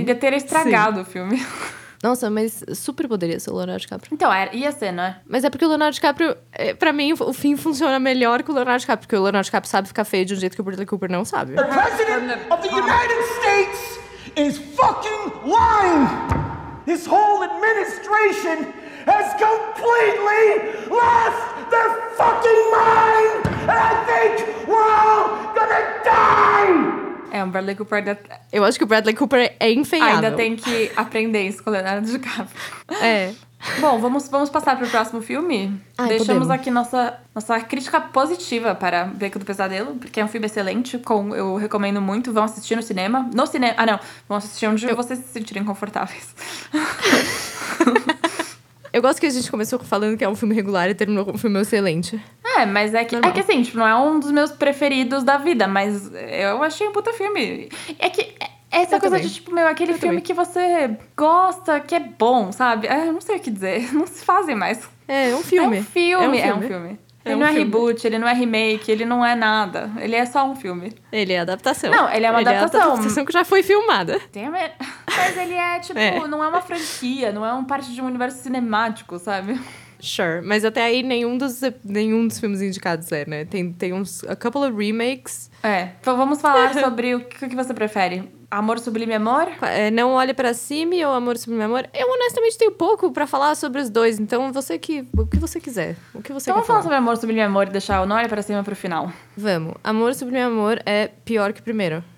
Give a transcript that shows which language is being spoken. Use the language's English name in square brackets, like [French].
[Portuguese] E ia ter estragado sim. O filme. Nossa, mas super poderia ser o Leonardo DiCaprio. Então, ia ser, não é? Mas é porque o Leonardo DiCaprio, pra mim, o fim funciona melhor que o Leonardo DiCaprio. Porque o Leonardo DiCaprio sabe ficar feio de um jeito que o Bradley Cooper não sabe. O presidente dos Estados Unidos está [English] fucking lying! His whole administration has completely lost their fucking mind! And I think we're all gonna die! [Portuguese] É, o Bradley Cooper ainda... Eu acho que o Bradley Cooper é enfeiado. Ainda tem que aprender isso com o Leonardo DiCaprio. É. Bom, vamos passar pro próximo filme. Ai, deixamos podemos. Aqui nossa crítica positiva para Beco do Pesadelo, porque é um filme excelente, eu recomendo muito. Vão assistir no cinema. No cinema... Ah, não. Vão assistir onde vocês se sentirem confortáveis. Eu gosto que a gente começou falando que é um filme regular e terminou com um filme excelente. É, mas é que assim, tipo, não é um dos meus preferidos da vida, mas eu achei um puta filme. É que é essa coisa de, tipo, meu, aquele filme que você gosta, que é bom, sabe? Eu não sei o que dizer, não se fazem mais. É um filme. Ele não é reboot, ele não é remake, ele não é nada. Ele é só um filme. Ele é adaptação. Não, ele é uma adaptação. É adaptação que já foi filmada. Mas ele é, tipo, não é uma franquia, não é um parte de um universo cinemático, sabe? [English] Sure, [Portuguese] mas até aí nenhum dos filmes indicados é, né? Tem uns, [English] a couple of remakes. [Portuguese] É, então vamos falar sobre o que você prefere. Amor Sublime Amor? É, Não Olhe Pra Cima ou Amor Sublime Amor? Eu honestamente tenho pouco pra falar sobre os dois, então o que você quiser. Então vamos falar sobre Amor Sublime Amor e deixar o Não Olhe Pra Cima pro final. Vamos. Amor Sublime Amor é pior que o primeiro.